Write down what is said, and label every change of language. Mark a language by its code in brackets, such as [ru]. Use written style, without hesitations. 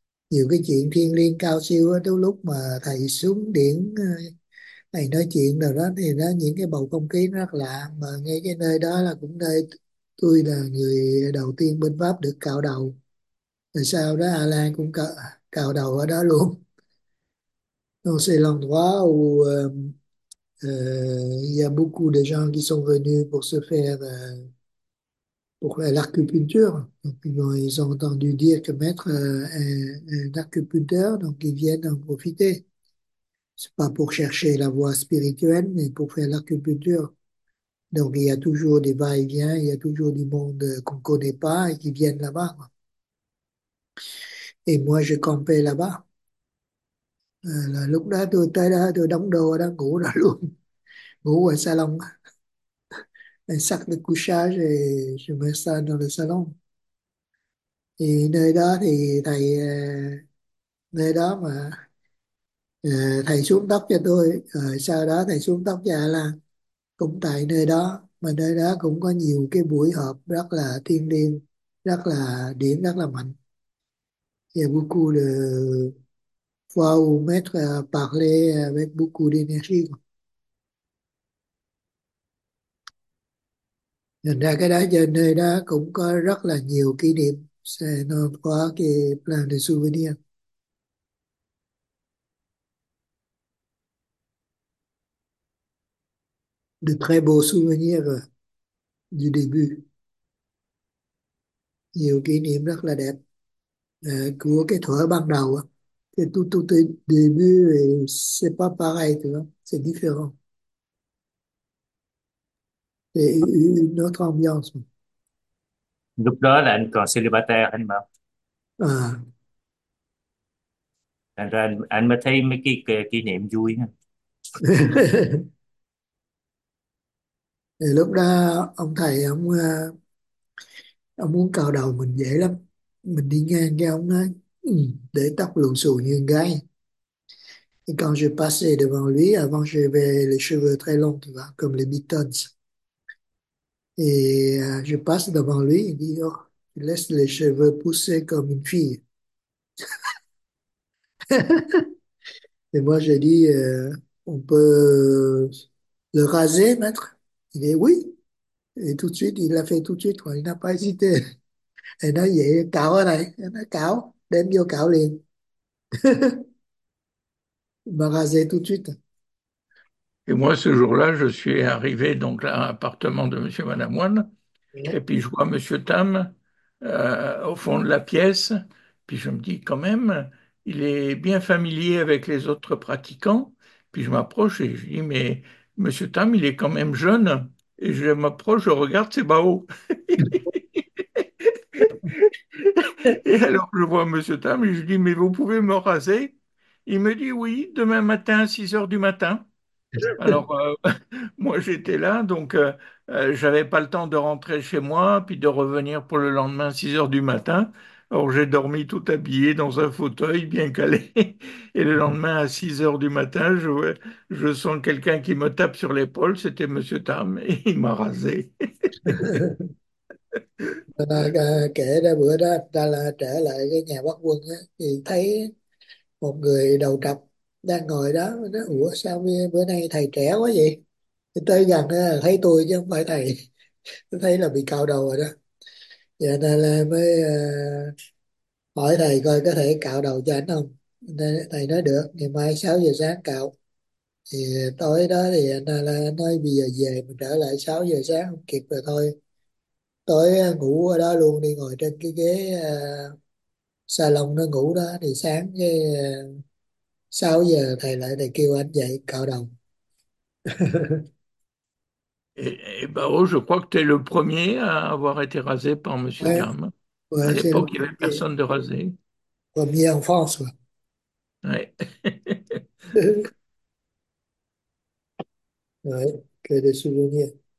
[vi] Nhiều cái chuyện thiêng liêng cao siêu đó, tới lúc mà thầy xuống điển thầy nói chuyện rồi đó, thì nó những cái bầu không khí rất lạ. Mà ngay cái nơi đó là cũng nơi tôi là người đầu tiên bên Pháp được cạo đầu, rồi sau đó Alan cũng cạo đầu ở đó luôn. [fr] Donc c'est l'endroit où il y a beaucoup de gens qui sont venus pour se faire pour l'acupuncture. Ils ont entendu dire que mettre un acupuncteur, donc ils viennent en profiter. C'est pas pour chercher la voie spirituelle, mais pour faire l'acupuncture. Donc il y a toujours des va-et-vient, il y a toujours du monde qu'on connaît pas et qui viennent là-bas. Et moi, je campais là-bas. [vi] Lúc đó tôi tới đó tôi đóng đô đó ngủ đó luôn, ngủ ở salon, [fr] un sac de couchage et je me sens dans le salon. [vi] Et nơi đó thì thầy, nơi đó mà thầy xuống tóc cho tôi, rồi sau đó thầy xuống tóc cho A-lan, cũng tại nơi đó mà nơi đó cũng có nhiều cái buổi họp rất là thiêng liêng, rất là điểm, rất là mạnh. [fr] Il y a beaucoup de fois où maître a parlé avec beaucoup d'énergie. [vi] Thành ra cái đó giờ nơi đó cũng có rất là nhiều kỷ niệm, sẽ nó có cái [fr] plein de souvenirs. De très beaux souvenirs du début. [vi] Nhiều kỷ niệm rất là đẹp của cái thuở ban đầu á. [fr] Thì tout début, c'est pas pareil, tu vois, c'est différent. C'est une autre ambiance. [vi] Lúc đó là anh còn célibataire anh bảo. À. Thành ra anh mới thấy mấy cái kỷ niệm vui nha. Thì lúc đó ông thầy ông muốn cạo đầu mình dễ lắm. Mình đi ngang cái ông nói để tóc lộn xộn như gái. [fr] Et quand je passais devant lui, avant j'avais les cheveux très longs, tu vois, comme les Beatles. Et je passe devant lui, il dit, oh, il laisse les cheveux pousser comme une fille. Et moi, j'ai dit, on peut le raser, maître? Il dit oui. Et tout de suite, il l'a fait tout de suite, quoi. Il n'a pas hésité. [vi] Et nó vậy cạo ở này, nó cạo, đem vô cạo liền. [fr] Mà raser tout de suite. Et moi, ce jour-là, je suis arrivé donc à l'appartement de Monsieur et Madame Moine, et puis je vois Monsieur Tam au fond de la pièce, puis je me dis quand même, il est bien familier avec les autres pratiquants, puis je m'approche et je dis, mais Monsieur Tam, il est quand même jeune, et je m'approche, je regarde, c'est Bao. Et alors je vois Monsieur Tam, et je dis, mais vous pouvez me raser? Il me dit, oui, demain matin à 6 h du matin. Alors, moi j'étais là, donc j'avais pas le temps de rentrer chez moi, puis de revenir pour le lendemain 6 h du matin. Alors j'ai dormi tout habillé dans un fauteuil bien calé, et le lendemain à 6 h du matin, je sens quelqu'un qui me tape sur l'épaule, c'était Monsieur Tam, et il m'a rasé. [vi] Kể ra bữa đó ta là trở lại cái nhà Bắc Quân á, thì thấy một người đầu trọc đang ngồi đó, nói, ủa sao bữa nay thầy trẻ quá vậy, thì tới gần đó, thấy tôi chứ không phải thầy, tôi thấy là bị cạo đầu rồi đó, giờ là mới hỏi thầy coi có thể cạo đầu cho anh không, nên thầy nói được ngày mai 6 giờ sáng cạo. Thì tối đó thì anh là nói bây giờ về mình trở lại 6 giờ sáng không kịp rồi thôi, tối ngủ ở đó luôn đi, ngồi trên cái ghế salon nó ngủ đó, thì sáng cái 6 giờ thầy lại thầy kêu anh dậy cạo đầu. [fr] Et Bao, je crois que tu es le premier à avoir été rasé par Monsieur Ouais, Tam. À c'est le l'époque, il n'y avait personne de rasé. premier en France. Ouais. Ouais, que des souvenirs.